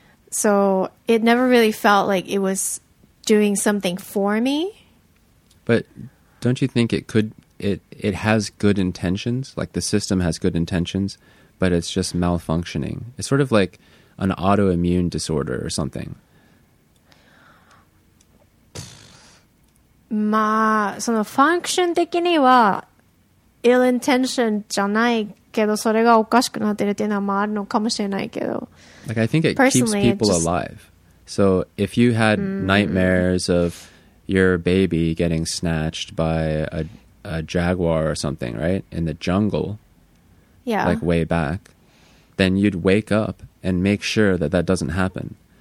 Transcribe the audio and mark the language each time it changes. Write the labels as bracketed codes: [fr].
[en] So it never really felt like it was doing something for me. But don't you think it could, it has good intentions? Like the system has good intentions, but it's just malfunctioning. It's sort of like an autoimmune disorder or something. [ja] まあ、そのファンクション的には [en] ill intention [ja] じゃないけど、それがおかしくなってるっていうのはあるのかもしれないけど。 [en] Like, I think it keeps people alive. So if you had nightmares of your baby getting snatched by a jaguar or something, right? In the jungle, yeah, like way back, then you'd wake up and make sure that that doesn't happen.